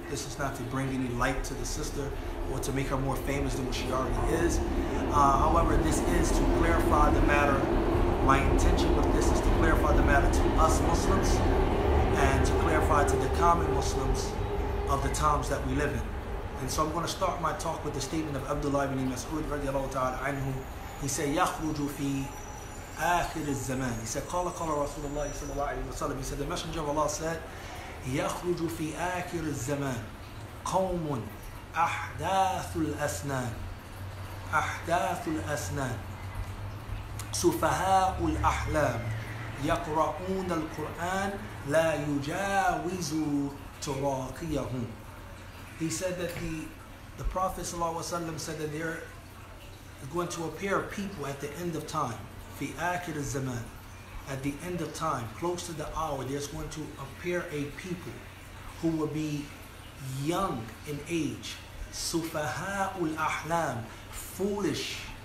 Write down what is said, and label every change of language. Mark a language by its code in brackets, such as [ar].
[en] This is not to bring any light to the sister or to make her more famous than what she already is. However, this is to clarify the matter. My intention with this is to clarify the matter to us Muslims and to clarify to the common Muslims of the times that we live in. And so I'm gonna start my talk with the statement of Abdullah ibn Mas'ud radiallahu ta'ala anhu. He said, [ar] يَخْرُجُ فِي آخِرِ الزَّمَانِ. He said, قَالَ قَالَ رَسُولَ اللَّهِ صَلَى اللَّهِ عَلَيْهِ وَسَلَّمِ. [en] He said, the Messenger of Allah said, [ar] يَخْرُجُ فِي آخِرِ الزَّمَانِ قَوْمٌ أَحْدَاثُ الْأَسْنَانِ أَحْدَاثُ الْأَسْنَانِ سُفَهَاءُ الْأَحْلَامِ يَقْرَؤُونَ الْقُرْآنَ لَا يُجَاوِزُ تُرَاقِيَهُمْ. [en] He said that the Prophet ﷺ said that there are going to appear people at the end of time, [ar] في آخر الزمان, [en] at the end of time, close to the hour, there's going to appear a people who will be young in age, [ar] سُفَهَاءُ الْأَحْلَامِ, [en] foolish.